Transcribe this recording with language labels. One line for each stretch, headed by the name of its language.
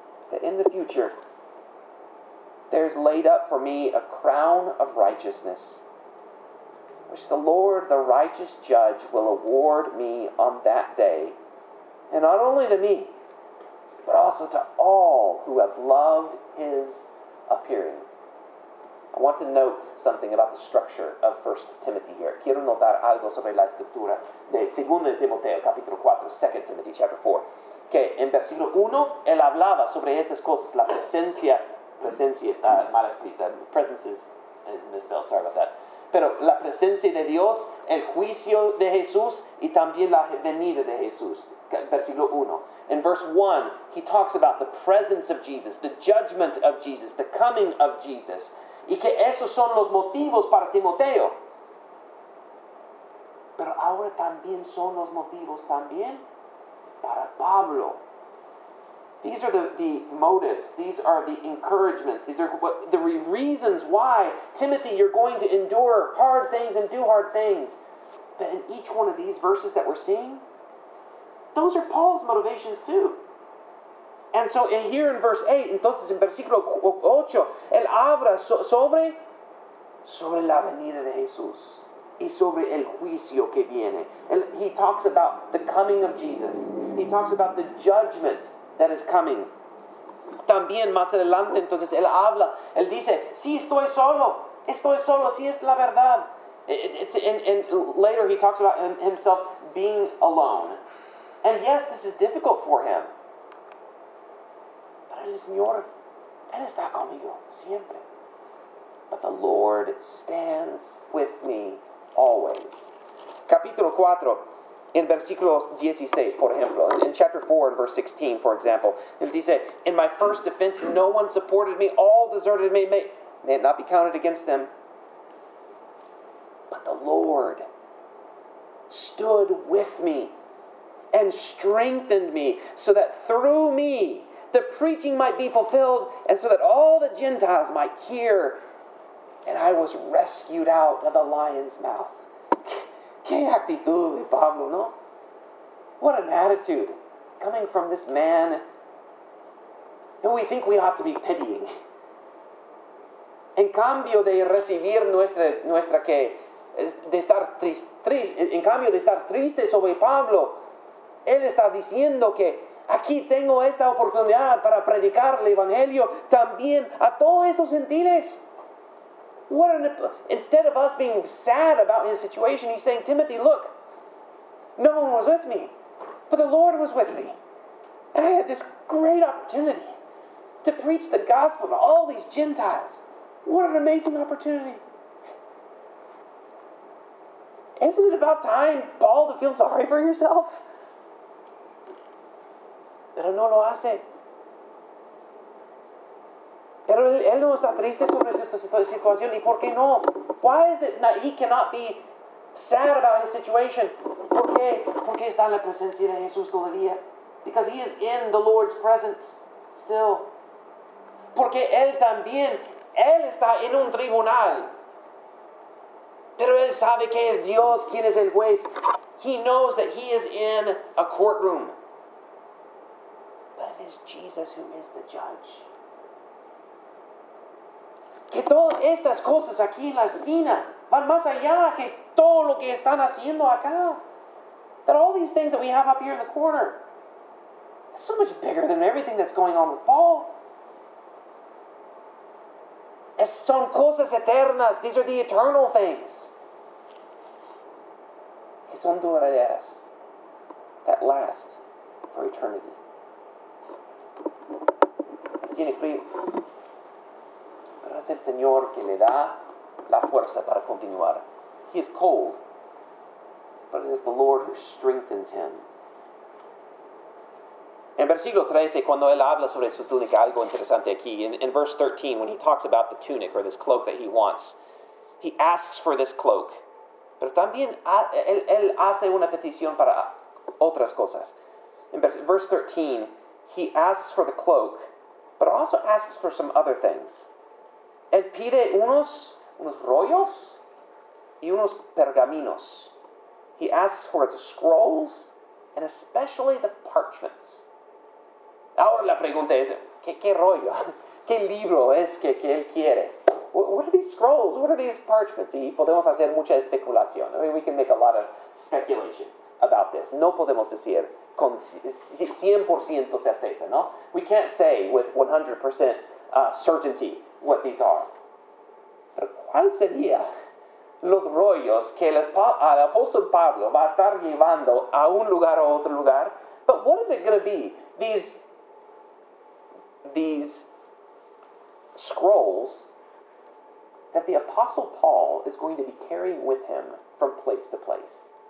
English: That in the future, there is laid up for me a crown of righteousness, which the Lord, the righteous judge, will award me on that day. And not only to me, but also to all who have loved his appearing. I want to note something about the structure of 1 Timothy here.
Spanish: Quiero notar algo sobre la escritura de 2 Timoteo, capítulo 4,
English: 2 Timothy, chapter 4.
Spanish: Que en versículo 1, él hablaba sobre estas cosas. La presencia está mal escrita.
English: Presence is misspelled, sorry about that.
Spanish: Pero la presencia de Dios, el juicio de Jesús, y también la venida de Jesús. Versículo 1.
English: In verse 1, he talks about the presence of Jesus, the judgment of Jesus, the coming of Jesus.
Spanish: Y que esos son los motivos para Timoteo. Pero ahora también son los motivos también para Pablo.
English: These are the motives. These are the encouragements. These are the reasons why, Timothy, you're going to endure hard things and do hard things. But in each one of these verses that we're seeing, those are Paul's motivations too. And so here in verse 8,
Spanish: entonces en versículo 8, él habla sobre la venida de Jesús y sobre el juicio que viene.
English: He talks about the coming of Jesus. He talks about the judgment that is coming.
Spanish: También más adelante, entonces él habla, él dice, sí, estoy solo, sí es la verdad.
English: And later he talks about himself being alone. And yes, this is difficult for him.
Spanish: El Señor, Él está conmigo siempre.
English: But the Lord stands with me always.
Spanish: Capítulo 4, en versículo 16, por ejemplo.
English: In chapter 4, in verse 16, for example.
Spanish: Él dice,
English: in my first defense, no one supported me. All deserted me. May it not be counted against them. But the Lord stood with me and strengthened me so that through me, the preaching might be fulfilled, and so that all the Gentiles might hear, and I was rescued out of the lion's mouth.
Spanish: ¿Qué actitud de Pablo, no?
English: What an attitude coming from this man who we think we ought to be pitying.
Spanish: En cambio de recibir nuestra que, de estar triste, en cambio de estar triste sobre Pablo, él está diciendo que, aquí tengo esta oportunidad para predicar el Evangelio también a todos esos gentiles.
English: Instead of us being sad about his situation, he's saying, Timothy, look, no one was with me, but the Lord was with me. And I had this great opportunity to preach the gospel to all these Gentiles. What an amazing opportunity. Isn't it about time, Paul, to feel sorry for yourself?
Spanish: Pero no lo hace. pero él no está triste sobre su situación. ¿Y por qué no?
English: Why is it that he cannot be sad about his situation?
Spanish: ¿Por qué? Porque está en la presencia de Jesús todavía.
English: Because he is in the Lord's presence still.
Spanish: Porque él también, él está en un tribunal. Pero él sabe que es Dios quien es el juez.
English: He knows that he is in a courtroom. But it is Jesus who is the judge.
Spanish: Que todas estas cosas aquí en la esquina van más allá que todo lo que están haciendo acá.
English: That all these things that we have up here in the corner is so much bigger than everything that's going on with Paul.
Spanish: Es, son cosas eternas.
English: These are the eternal things.
Spanish: Que son duraderas.
English: That last for eternity.
Spanish: Tiene frío. Es el Señor que le da la fuerza para continuar.
English: He is cold, but it is the Lord who strengthens him.
Spanish: En versículo 13, cuando él habla sobre su túnica, algo interesante aquí.
English: In verse 13, when he talks about the tunic or this cloak that he wants, he asks for this cloak.
Spanish: Pero también él hace una petición para otras cosas.
English: In verse 13, he asks for the cloak, but also asks for some other things.
Spanish: Él pide unos rollos y unos pergaminos.
English: He asks for the scrolls and especially the parchments.
Spanish: Ahora la pregunta es, ¿qué rollo? ¿Qué libro es que él quiere?
English: What are these scrolls? What are these parchments?
Spanish: Y podemos hacer mucha especulación.
English: I mean, we can make a lot of speculation about this.
Spanish: No podemos decir con 100% certeza, ¿no?
English: We can't say with 100% certainty what these are.
Spanish: Pero ¿cuál sería los rollos que el apóstol Pablo va a estar llevando a un lugar o otro lugar?
English: But what is it going to be? These scrolls that the apostle Paul is going to be carrying with him from place to place.